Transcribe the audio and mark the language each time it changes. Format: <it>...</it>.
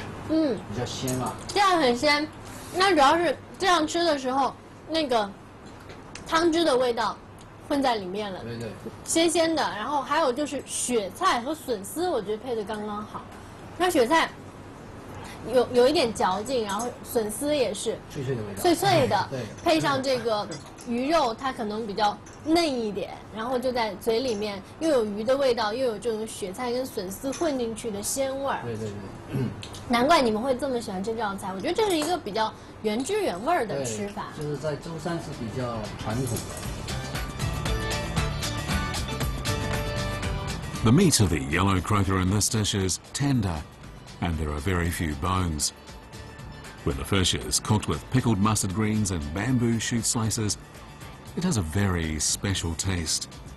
<en>It's very sweet. Yes, it's very sweet. But mainly, when I eat it, the taste of the noodle sauce</en> <zh>混在里面了，对对，新鲜的，然后还有就是雪菜和笋丝，我觉得配的刚刚好。那雪菜有一点嚼劲，然后笋丝也是脆脆的味道，脆脆的配上这个鱼肉，它可能比较嫩一点，然后就在嘴里面又有鱼的味道，又有这种雪菜跟笋丝混进去的鲜味儿。对对对，难怪你们会这么喜欢这道菜，我觉得这是一个比较原汁原味的吃法。就是在舟山是比较传统的。</zh> <en>The meat of the yellow croaker in this dish is tender, and there are very few bones. When the fish is cooked with pickled mustard greens and bamboo shoot slices, it has a very special taste.</en>